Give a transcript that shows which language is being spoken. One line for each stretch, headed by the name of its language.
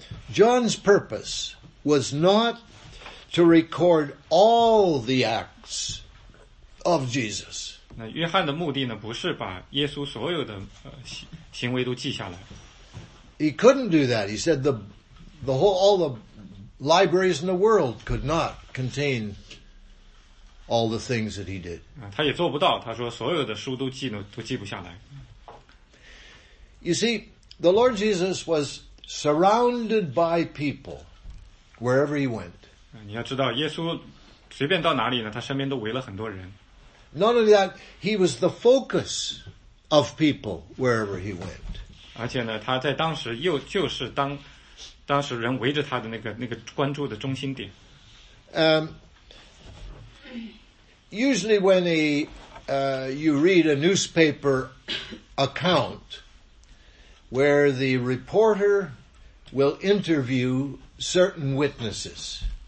English: John's purpose was not to record all the acts of Jesus.
Chinese: 那约翰的目的呢，不是把耶稣所有的行为都记下来。
English: He couldn't do that. He said the whole all the libraries in the world could not contain all the things that he did.
Chinese: 他也做不到。他说所有的书都记不下来。
English: You see, the Lord Jesus was surrounded by people wherever he went.
Chinese: 你要知道，耶稣随便到哪里呢，他身边都围了很多人。
English: Not only that, he was the focus of people wherever he went.
Chinese: 而且呢，他在当时又就是当时人围着他的那个关注的中心点。
English: Usually when you read a newspaper account where the reporter will interview certain witnesses.